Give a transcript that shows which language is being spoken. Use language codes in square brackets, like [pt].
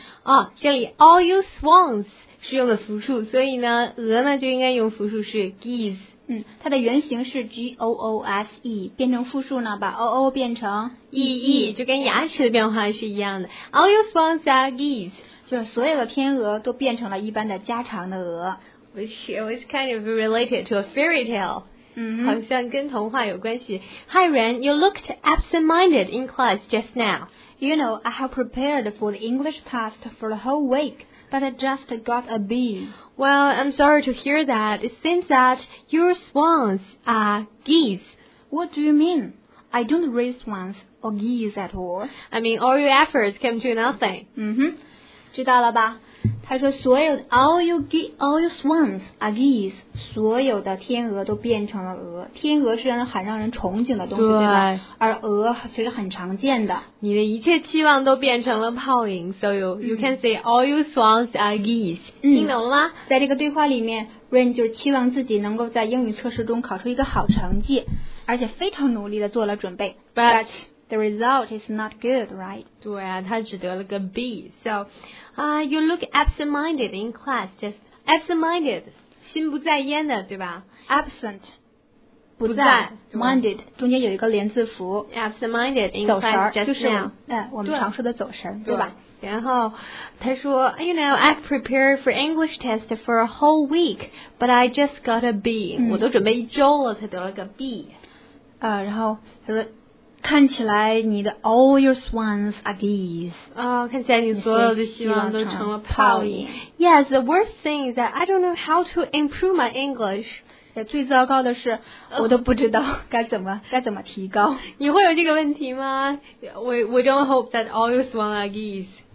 [zh] 啊，这里 [en] all your swans [zh] 是用的复数，所以呢，鹅呢就应该用复数是 geese。它的原型是 G-O-O-S-E， 变成复数呢，把 O-O 变成 E-E， 就跟牙齿的变化是一样的。 [en] All your swans are geese， [zh] 就是所有的天鹅都变成了一般的家常的鹅。 [en] Which was kind of related to a fairy tale， [zh] 好像跟童话有关系。 [en] Hi, Ren, you looked absent-minded in class just now. You know, I have prepared for the English test for the whole week. But I just got a B. Well, I'm sorry to hear that. It seems that your swans are geese. What do you mean? I don't raise swans or geese at all. I mean, all your efforts came to nothing. [zh] 知道了吧？他说所有 [en] all your swans are geese. [zh] 所有的天鹅都变成了鹅。天鹅是让人憧憬的东西， 对吧？而鹅其实很常见的。你的一切期望都变成了泡影。 [en] So you can say all your swans are geese. [zh] 听懂了吗？在这个对话里面 ，Rain 就是期望自己能够在英语测试中考出一个好成绩，而且非常努力的做了准备。 [en] But the result is not good, right? [zh] 对啊，他只得了个 [en] B. So, you look absent-minded in class. Just absent-minded, [zh] 心不在焉的，对吧 [en] ？Absent, [zh] 不在，minded 中间有一个连字符。 [en] Absent-minded in class, [zh] 走神，就是我们常说的走神，对吧？然后他说 [en] ，You know, I've prepared for English test for a whole week, but I just got a B. [zh] 我都准备一周了，才得了个 B. 然后他说。看起来你的 [en] all your swans are geese. [zh] 看起来你所有的希望都成了泡影。 [en] Yes, the worst thing is that I don't know how to improve my English. [zh] 最糟糕的是我都不知道该怎么提高。你会有这个问题吗？ [en] We don't hope that all your swans are geese.